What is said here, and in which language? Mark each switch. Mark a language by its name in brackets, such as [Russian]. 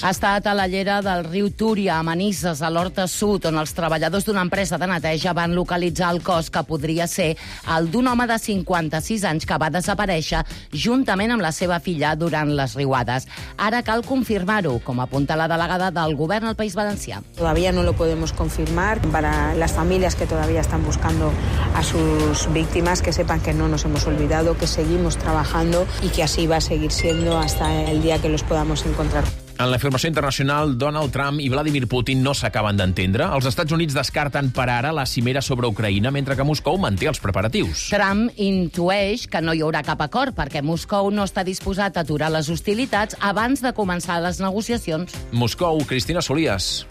[Catalan] Ha estat a la llera del riu Túria, a Manises, a l'Horta Sud, on els treballadors d'una empresa de neteja van localitzar el cos que podria ser el d'un home de 56 anys que va desaparèixer juntament amb la seva filla durant les riuades. Ara cal confirmar-ho, com apunta la delegada del govern al País Valencià. [Spanish] Todavía no lo podemos confirmar para las familias que todavía están buscando a sus víctimas, que sepan que no nos hemos olvidado, que seguimos trabajando y que así va a seguir siendo hasta el día que los podamos encontrar. [Catalan] En l'afirmació internacional, Donald Trump i Vladimir Putin no s'acaben d'entendre. Els Estats Units descarten per ara la cimera sobre Ucraïna, mentre que Moscou manté els preparatius. Trump intueix que no hi haurà cap acord perquè Moscou no està disposat a aturar les hostilitats abans de començar les negociacions. Moscou, Cristina Solías.